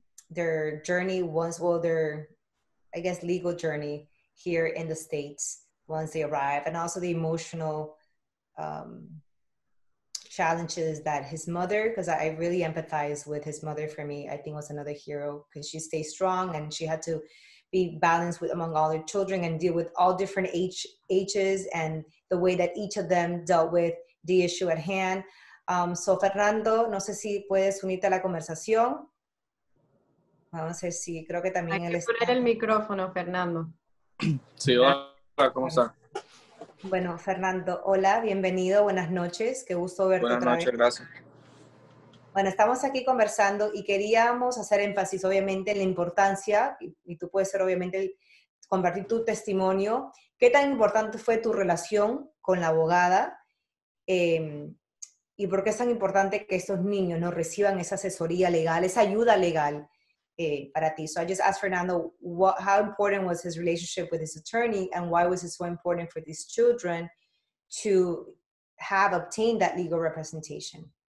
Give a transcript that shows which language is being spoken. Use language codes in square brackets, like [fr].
[en] Their journey once, well, their, I guess, legal journey here in the States once they arrive, and also the emotional challenges that his mother, because I really empathize with his mother, for me, I think was another hero, because she stayed strong and she had to be balanced with among all her children and deal with all different ages and the way that each of them dealt with the issue at hand. [es] So Fernando, no sé si puedes unirte a la conversación. Vamos a ver, sí, creo que también él está. Hay que poner el micrófono, Fernando. Sí, hola, ¿cómo está? Bueno, Fernando, hola, bienvenido, buenas noches, qué gusto verte. Buenas otra noches, vez. Gracias. Bueno, estamos aquí conversando y queríamos hacer énfasis, obviamente, en la importancia, y tú puedes ser, obviamente, compartir tu testimonio. ¿Qué tan importante fue tu relación con la abogada? ¿Y por qué es tan importante que estos niños no reciban esa asesoría legal, esa ayuda legal? [en] So I just asked Fernando, how important was his relationship with his attorney, and why was it so important for these children to have obtained that legal representation?